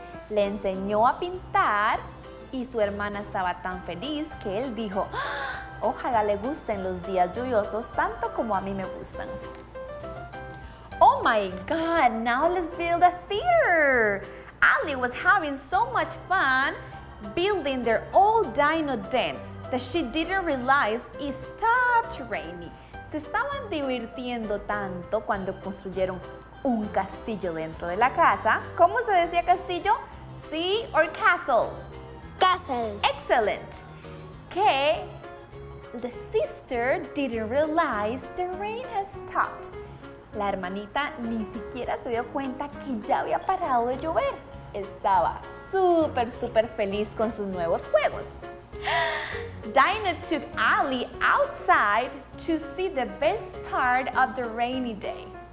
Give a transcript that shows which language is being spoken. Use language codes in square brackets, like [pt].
[es] Le enseñó a pintar y su hermana estaba tan feliz que él dijo, ojalá le gusten los días lluviosos tanto como a mí me gustan. [en] Oh my God, now let's build a theater. Ali was having so much fun building their old dino den that she didn't realize it stopped raining. [es] Se estaban divirtiendo tanto cuando construyeron un castillo dentro de la casa. ¿Cómo se decía castillo? [en] Sea or castle? Castle. Excellent. [es] Que [en] the sister didn't realize the rain has stopped. [es] La hermanita ni siquiera se dio cuenta que ya había parado de llover. Estaba súper, súper feliz con sus nuevos juegos. [en] Dinah took Ali outside to see the best part of the rainy day.